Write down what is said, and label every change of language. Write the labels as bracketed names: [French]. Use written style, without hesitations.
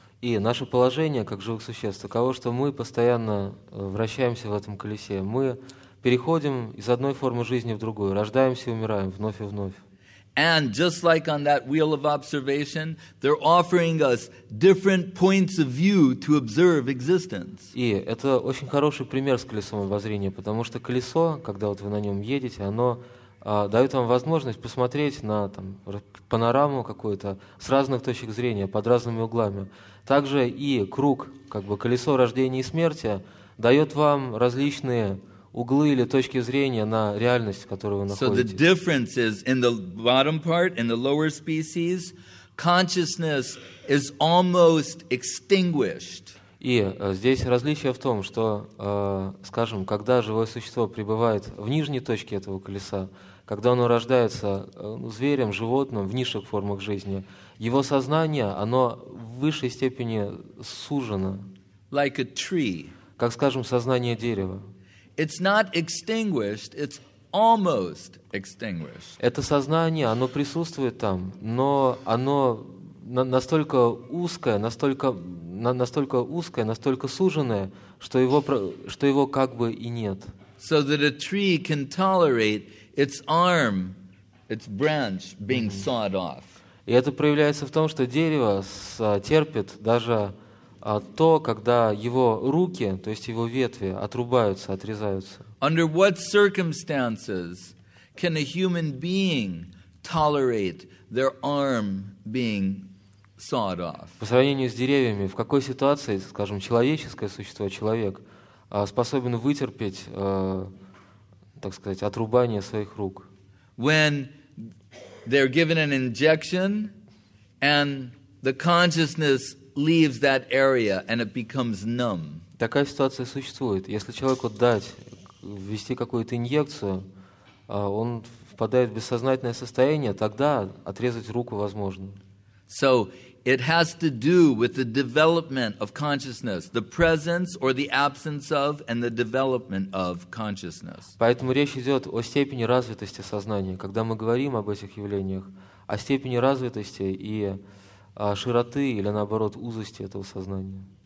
[Russian] И наше положение как живых существ таково, что мы постоянно вращаемся в этом колесе. Мы переходим из одной формы жизни в другую, рождаемся и умираем вновь и вновь. [English] And just like on that wheel of observation, they're offering us different points of view to observe existence. [Russian] И это очень хороший пример с колесом обозрения, потому что колесо, когда вот вы на нем едете, оно дает вам возможность посмотреть на там, панораму какую-то с разных точек зрения, под разными углами. Также и круг, как бы колесо рождения и смерти, дает вам различные углы или точки зрения на реальность, в которой вы находитесь. [English] So the difference is in the bottom part, in the lower species, consciousness is almost extinguished. [Russian] И здесь различие в том, что, скажем, когда живое существо пребывает в нижней точке этого колеса, когда оно рождается зверем, животным в низших формах жизни, его сознание, оно в высшей степени сужено. [English] Like a tree. [Russian] Как, скажем, сознание дерева. [English] It's not extinguished, it's almost extinguished. [Russian] Это сознание, оно присутствует там, но оно настолько узкое, настолько узкое, настолько суженное, что его как бы и нет. [English] So that a tree can tolerate its arm, its branch being sawed off. [Russian] И это проявляется в том, что дерево терпит даже то, когда его руки, то есть его ветви, отрубаются, отрезаются. [English] Under what circumstances can a human being tolerate their arm being sawed off? [Russian] По сравнению с деревьями, в какой ситуации, скажем, человеческое существо, человек, способен вытерпеть, так сказать, отрубание своих рук? [English] When they're given an injection and the consciousness leaves that area and it becomes numb. [Russian] Такая ситуация существует. Если человеку ввести какую-то инъекцию, он впадает в бессознательное состояние, тогда отрезать руку возможно. [English] So it has to do with the development of consciousness, the presence or the absence of and the development of consciousness. [Russian] Поэтому речь идет о степени развитости сознания, когда мы говорим об этих явлениях, о степени развитости и широты или, наоборот, узости этого сознания.